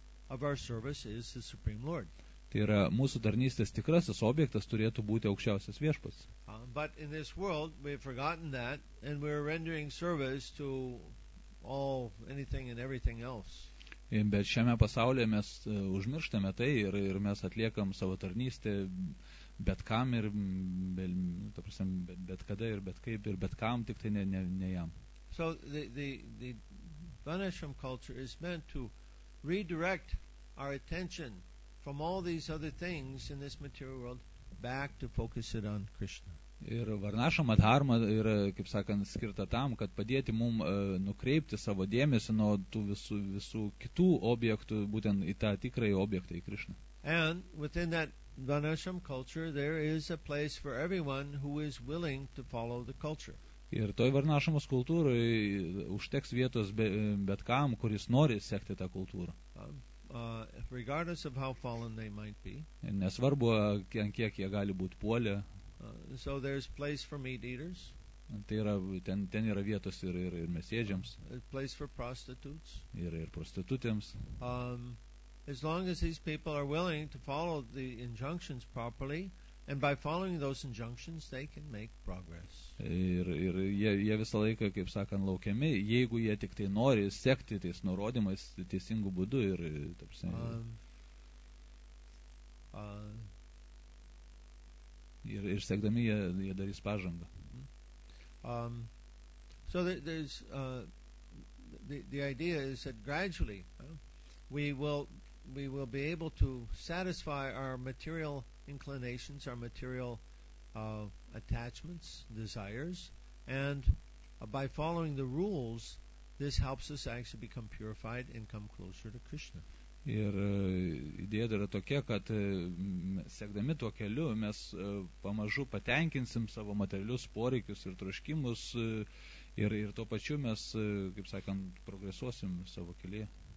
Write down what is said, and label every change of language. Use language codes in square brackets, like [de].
[lt] Tai yra, mūsų tarnystės tikrasis objektas turėtų būti aukščiausias viešpats. [en] But in this world we've forgotten that and we're rendering service to all anything and everything else. [lt] Bet šiame pasaulyje mes užmirštame tai ir mes atliekam savo tarnystę bet kam ir bet kada ir bet kaip ir bet kam, tik tai ne jam. [en] So the Vanashram culture is meant to redirect our attention from all these other things in this material world back to focus it on Krishna. [lt] Ir Varnasham Adharma yra, kaip sakant, skirta tam, kad padėti mum nukreipti savo dėmesį nuo tų visų kitų objektų, būtent į tą tikrąjį objektą, į Krishna. [en] And within that Vanashram culture there is a place for everyone who is willing to follow the culture. [lt] Ir toj Varnashamos kultūroje užteks vietos bet kam, kuris nori sekti tą kultūrą. [en] Regardless of how fallen they might be. [lt] Nesvarbu, kiek jie gali būti puolę. [en] So there's place for meat eaters. [lt] Tai yra, ten yra vietos ir mesėdžiams. [en] Place for prostitutes. [lt] Ir prostitutėms. [en] As long as these people are willing to follow the injunctions properly, and by following those injunctions, they can make progress. [lt] Ir jie visą laiką, kaip sakant, laukiami, jeigu jie tik tai nori sekti tais nurodymais teisingu būdu ir taip sakant. Ir sekdami jie darys pažangą. [en] So there's the idea is that gradually we will be able to satisfy our material inclinations, our material attachments, desires, and by following the rules, this helps us actually become purified and come closer to Krishna. [lt] Ir idėja yra tokia, kad sekdami tuo keliu mes pamažu patenkinsim savo materialius poreikius ir troškimus ir tuo pačiu mes, kaip sakant, progresuosim savo kelyje.